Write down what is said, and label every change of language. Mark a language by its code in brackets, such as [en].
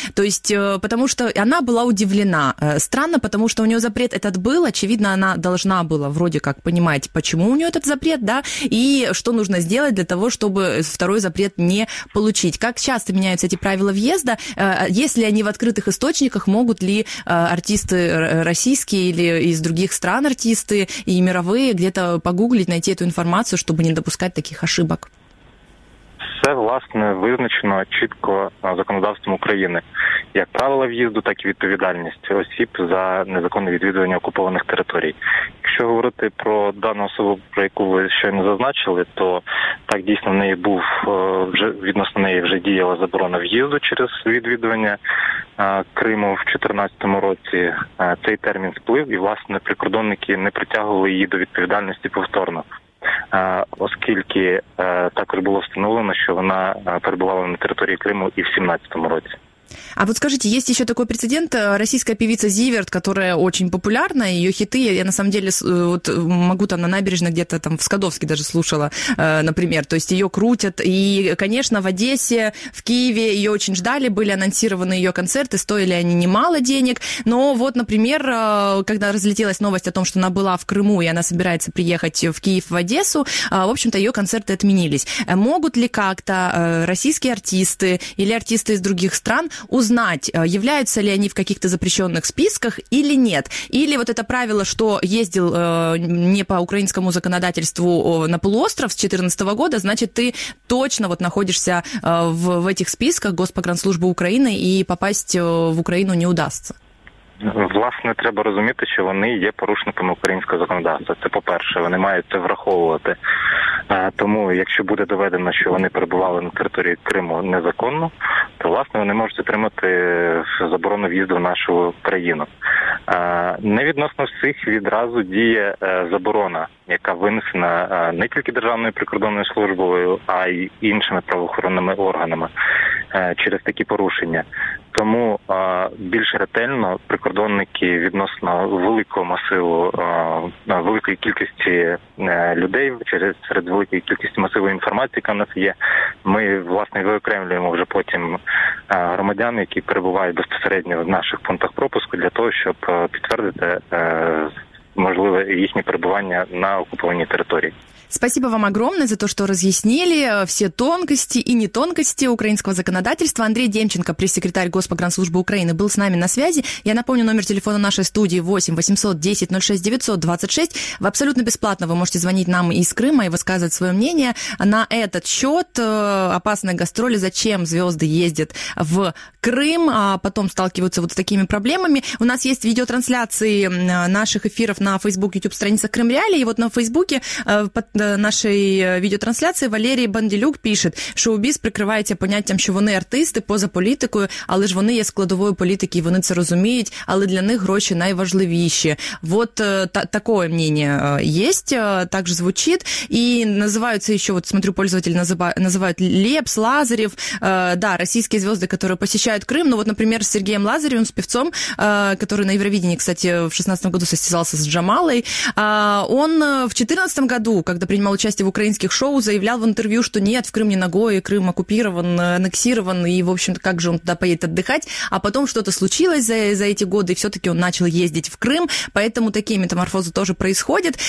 [ru] То есть, потому что она была удивлена. Странно, потому что у нее запрет этот был, очевидно, она должна была вроде как понимать, почему у нее этот запрет, да, и что нужно сделать для того, чтобы второй запрет не получить. Как часто меняются эти правила въезда? Если они в открытых источниках, могут ли артисты российские или из других стран артисты и мировые где-то погуглить, найти эту информацию, чтобы не допускать таких ошибок? [uk] Все, власне, визначено чітко законодавством України. Як правила в'їзду, так і відповідальність осіб за незаконне відвідування окупованих територій. Якщо говорити про дану особу, про яку ви щойно зазначили, то так дійсно в неї був, вже відносно неї вже діяла заборона в'їзду через відвідування Криму в 2014 році. Цей термін сплив, і, власне, прикордонники не притягували її до відповідальності повторно. Оскільки також було встановлено, що вона перебувала на території Криму і в 17-му році. [ru] А вот скажите, есть еще такой прецедент, российская певица Зиверт, которая очень популярна, ее хиты, я на самом деле вот могу там на набережной где-то там в Скадовске даже слушала, например, то есть ее крутят, и, конечно, в Одессе, в Киеве ее очень ждали, были анонсированы ее концерты, стоили они немало денег, но вот, например, когда разлетелась новость о том, что она была в Крыму, и она собирается приехать в Киев, в Одессу, в общем-то, ее концерты отменились. Могут ли как-то российские артисты или артисты из других стран узнать, являются ли они в каких-то запрещенных списках или нет. Или вот это правило, что ездил не по украинскому законодательству на полуостров с 2014 года, значит, ты точно вот находишься в этих списках Госпогранслужбы Украины, и попасть в Украину не удастся. Власне, треба розуміти, що вони є порушниками українського законодавства. Це по-перше, вони мають це враховувати. Тому, якщо буде доведено, що вони перебували на території Криму незаконно, то, власне, вони можуть отримати заборону в'їзду в нашу країну. Не відносно всіх відразу діє заборона, яка винесена не тільки Державною прикордонною службою, а й іншими правоохоронними органами через такі порушення. Тому більш ретельно прикордонники відносно великого масиву, великої кількості людей, серед великої кількості масиву інформації, яка в нас є, ми, власне, виокремлюємо вже потім громадян, які перебувають безпосередньо в наших пунктах пропуску, для того, щоб підтвердити можливе їхнє перебування на окупованій території. Спасибо вам огромное за то, что разъяснили все тонкости и нетонкости украинского законодательства. Андрей Демченко, пресс-секретарь Госпогранслужбы Украины, был с нами на связи. Я напомню, номер телефона нашей студии 8 800 10 06 926. В абсолютно бесплатно вы можете звонить нам из Крыма и высказывать свое мнение на этот счет. Опасные гастроли, зачем звезды ездят в Крым, а потом сталкиваются вот с такими проблемами. У нас есть видеотрансляции наших эфиров на Facebook, YouTube страница Крым Реалии. И вот на Facebook [uk] нашей відеотрансляції Валерій Банділюк пише, шоу-біз прикривається поняттям, що вони артисти поза політикою, але ж вони є складовою політики, і вони це розуміють, але для них гроші найважливіші. От таке мнення є, так звучить, і називають це, що, от смотрю, пользователі називають Лепс, Лазарєв, да, російські зв'язки, які посещають Крим, ну, от, наприклад, з Сергієм Лазарєвим, співцом, який на Євровидении, [ru] кстати, в 16-м году состязался с Джамалой. Он в 14-м году, когда принимал участие в украинских шоу, заявлял в интервью, что нет, в Крым не ногой, Крым оккупирован, аннексирован, и, в общем-то, как же он туда поедет отдыхать. А потом что-то случилось за эти годы, и все-таки он начал ездить в Крым, поэтому такие метаморфозы тоже происходят.